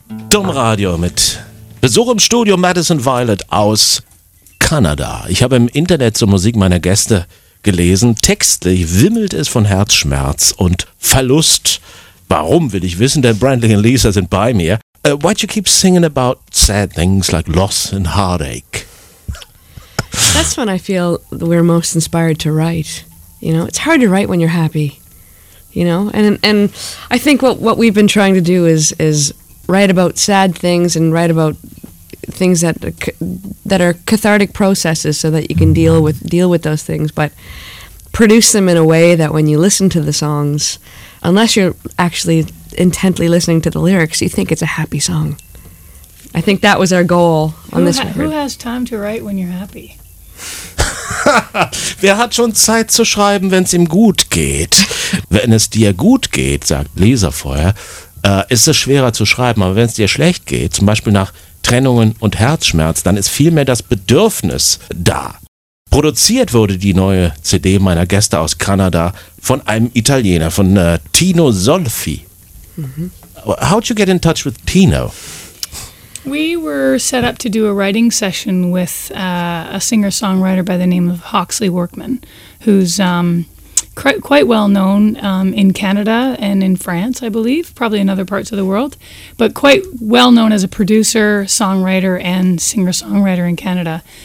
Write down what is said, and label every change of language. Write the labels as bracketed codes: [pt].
[de] Domradio mit Besuch im Studio Madison Weiland aus Kanada. Ich habe im Internet zur Musik meiner Gäste gelesen, textlich wimmelt es von Herzschmerz und Verlust. Warum, will ich wissen, denn Brantley und Lisa sind bei mir. [en] Why do you keep singing about sad things like loss and heartache? That's when I feel we're most inspired to write. You know, it's hard to write when you're happy. You know, and I think what we've been trying to do is write about sad things and write about things that are cathartic processes, so that you can deal with those things, but produce them in a way that when you listen to the songs, unless you're actually intently listening to the lyrics, you think it's a happy song. I think that was our goal on this record. Who has time to write when you're happy? [de] Wer hat schon Zeit zu schreiben, wenn es ihm gut geht? Wenn es dir gut geht, sagt Lisa vorher, ist es schwerer zu schreiben. Aber wenn es dir schlecht geht, zum Beispiel nach Trennungen und Herzschmerz, dann ist vielmehr das Bedürfnis da. Produziert wurde die neue CD meiner Gäste aus Kanada von einem Italiener, von Tino Solfi. [en] Mm-hmm. How'd you get in touch with Tino? We were set up to do a writing session with a singer-songwriter by the name of Hoxley Workman, who's quite well known in Canada and in France, I believe, probably in other parts of the world, but quite well known as a producer, songwriter, and singer-songwriter in Canada.